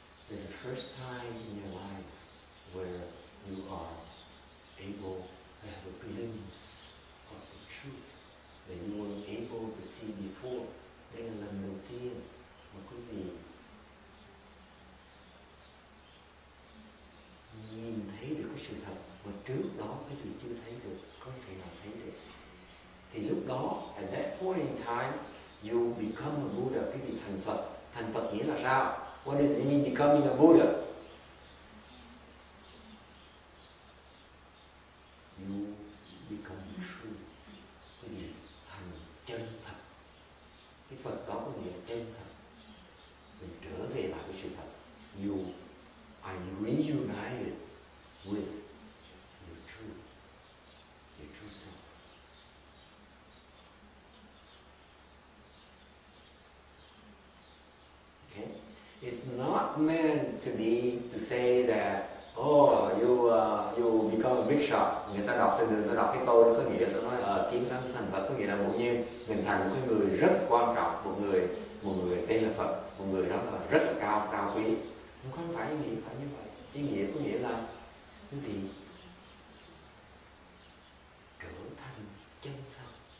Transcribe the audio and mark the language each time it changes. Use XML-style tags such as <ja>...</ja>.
<en>It's the first time in your life where you are able to have a glimpse of the truth that you weren't able to see before.</en> <vi>Đây là lần đầu tiên mà quý vị nhìn thấy được cái sự thật mà trước đó quý vị chưa thấy được, có thể nào thấy được. Thì lúc đó,</vi> <en>at that point in time, you become a Buddha,</en> <vi>quý vị thành Phật. Thành Phật nghĩa là sao?</vi> <en>What does it mean becoming a Buddha? You become true.</en> <vi>Cái gì? Thành chân thật. Cái Phật đó có nghĩa chân thật. Mình trở về lại với sự thật.</vi> <en>You are reunited with your true self. It's not meant to be to say that, oh, you become a big shot.</en> <vi>Người ta đọc từ người ta đọc cái câu đó có nghĩa là nói kim thân thành Phật, có nghĩa là bỗng nhiên mình thành một cái người rất quan trọng, một người tên là Phật, một người đó là rất là cao quý. Không phải như vậy, ý nghĩa có nghĩa là quý vị trở thành chân thật.</vi>